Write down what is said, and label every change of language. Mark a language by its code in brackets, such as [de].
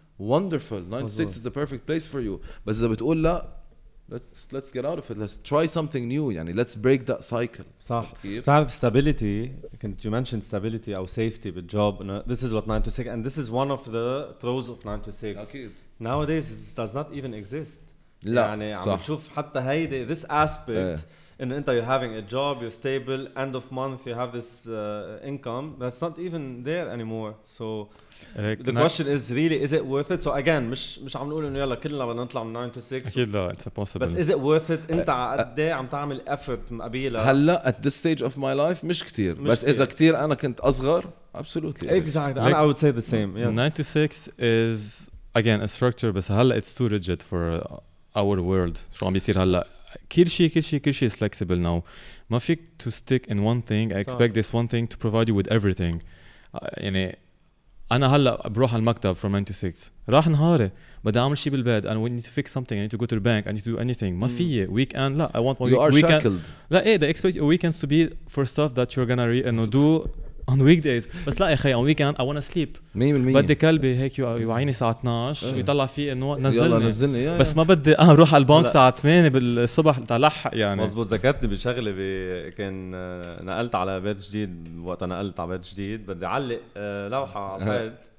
[en] Wonderful. 9 to 6 is the perfect place for you. But [ar] إذا بتقول لا, [en] let's get out of it. Let's try something new. يعني let's break that cycle. [ar] صح. تعرف [en] stability. You mentioned stability or safety with job. This is what 9 to 6 and this is one of the pros of 9 to 6. [ar] أكيد. [en] Nowadays it does not even exist. [ar] لا. يعني عم نشوف حتى هيدا [en] this aspect and انت you're having a job, you're stable, end of month you have this income that's not even there anymore. So like, the question is really, is it worth it? So again, [ar] مش عم نقول انه يلا كلنا بدنا نطلع من [en] 9 to 6 [ar] اكيد لا, [en] it's impossible. [ar] بس [en] is it worth it? [ar] انت قد ايه عم تعمل effort مقابله هلا [en] at this stage of my life؟ [ar] مش كتير, مش بس كتير. اذا كتير انا كنت اصغر absolutely [en] exactly like, I would say the same. Yes, 9 to 6 is again a structure, [ar] بس هلا [en] it's too rigid for our world. [ar] شو عم بيصير هلا؟ كل شيء [en] is flexible now. [ar] ما فيك [en] to stick in one thing. I expect this one thing to provide you with everything. [ar] يعني أنا هلا بروح على المكتب [en] from 9 to 6. [ar] راح نهاري. بدي أعمل شيء بالبيت. [en] I need to fix something. I need to go to the bank. I need to do anything. [ar] ما فيه. [en] Weekend. لا. I want more. You are shackled. [ar] لا. إيه. [en] They expect weekends to be for stuff that you're gonna read and do on weekdays. [ar] بس لا يا خي. [en] On weekend I wanna sleep. 100%. [ar] بدي كلبي هيك يوعيني الساعة 12 ويطلع فيه إنه نزلني. يا بس يا ما بدي أروح على البنك الساعة 8 بالصبح تلح يعني. مزبوط. ذكرتني بشغلة كان نقلت على بيت جديد. وقت نقلت على بيت جديد بدي أعلق لوحة على البيت.